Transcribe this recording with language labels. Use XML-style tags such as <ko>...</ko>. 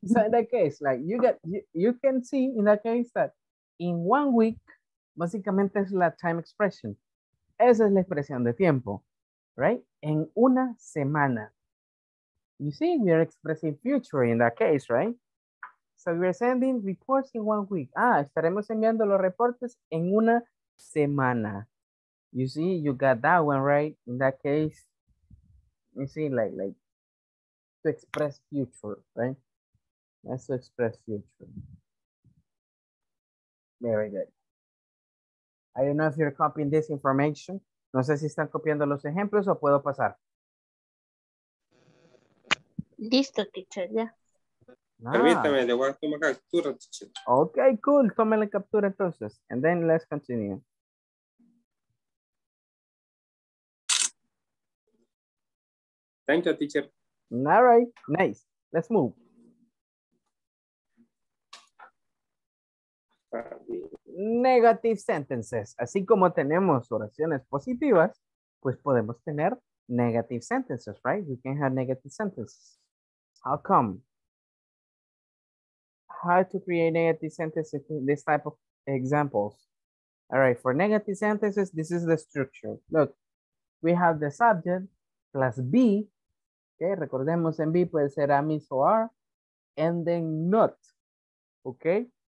<en>So in that case, like you get, you can see in that case that in 1 week,</en> <es>básicamente es la</es> <en>time expression.</en> <es>Esa es la expresión de tiempo,</es> <en>right?</en> <es>En una semana.</es> <en>You see, we are expressing future in that case, right? So we are sending reports in 1 week. Ah, estaremos enviando los reportes en una semana. You see, you got that one, right? In that case, you see, like, to express future, right? That's to express future. Very good. I don't know if you're copying this information.</en> <es>No sé si están copiando los ejemplos o puedo pasar. Listo, teacher, ya. Ah. Permítame, le voy a tomar captura, teacher.</es> <en>Okay, cool.</en> <es>Tome la captura entonces.</es> <en>And then let's continue. Thank you, teacher. All right, nice. Let's move. Negative sentences.</en> <es>Así como tenemos oraciones positivas, pues podemos tener</es> <en>negative sentences, right? We can have negative sentences. How come? How to create negative sentences in this type of examples? All right, for negative sentences, this is the structure. Look, we have the subject plus B.</en> <es>Okay, recordemos en B puede ser a miss o are,</es> <en>and then not.</en> <es>Okay.</es>